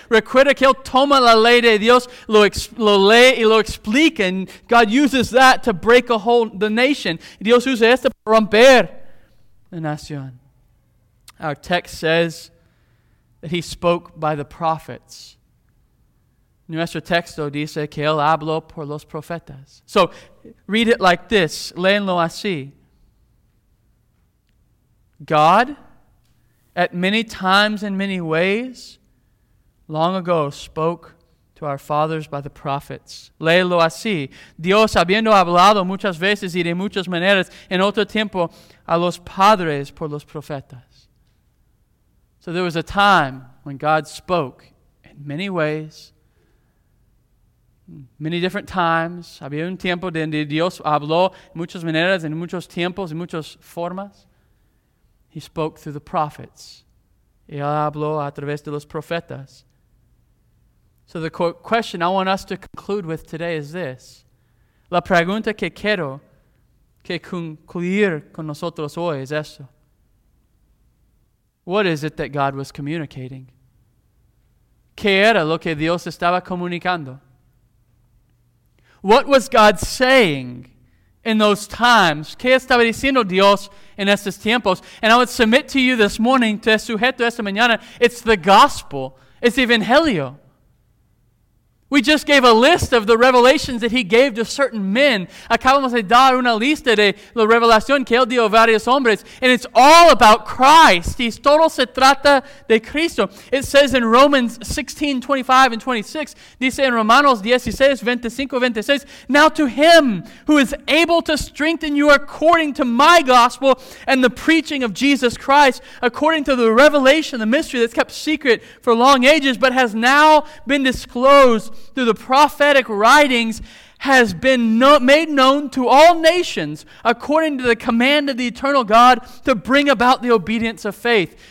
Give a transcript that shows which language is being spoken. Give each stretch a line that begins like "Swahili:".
Spanish: Recuerda que él toma la ley de Dios, lo lee y lo explica,
English: and God uses that to break a whole the nation.
Spanish: Dios usa esto para romper la nación.
English: Our text says that he spoke by the prophets.
Spanish: Nuestro texto dice que él habló por los profetas.
English: So, read it like this.
Spanish: Léenlo así.
English: God, at many times and many ways, long ago spoke to our fathers by the prophets.
Spanish: Léelo así. Dios, habiendo hablado muchas veces y de muchas maneras, en otro tiempo, a los padres por los profetas.
English: So there was a time when God spoke in many ways, many different times.
Spanish: Había un tiempo donde Dios habló en muchas maneras, en muchos tiempos, en muchas formas.
English: He spoke through the prophets.
Spanish: Él habló a través de los profetas.
English: So the question I want us to conclude with today is this.
Spanish: La pregunta que quiero que concluir con nosotros hoy es esto.
English: What is it that God was communicating?
Spanish: ¿Qué era lo que Dios estaba comunicando?
English: What was God saying in those times?
Spanish: ¿Qué estaba diciendo Dios en estos tiempos?
English: And I would submit to you this morning,
Spanish: te sujeto esta mañana,
English: it's the gospel. It's Evangelio. We just gave a list of the revelations that he gave to certain men.
Spanish: Acabamos de dar una lista de la revelación que él dio a varios hombres.
English: And it's all about Christ.
Spanish: Y todo se trata de Cristo.
English: It says in Romans 16, 25 and 26,
Spanish: dice en Romanos 16, 25, 26,
English: now to him who is able to strengthen you according to my gospel and the preaching of Jesus Christ, according to the revelation, the mystery that's kept secret for long ages, but has now been disclosed through the prophetic writings, has been made known to all nations according to the command of the eternal God to bring about the obedience of faith.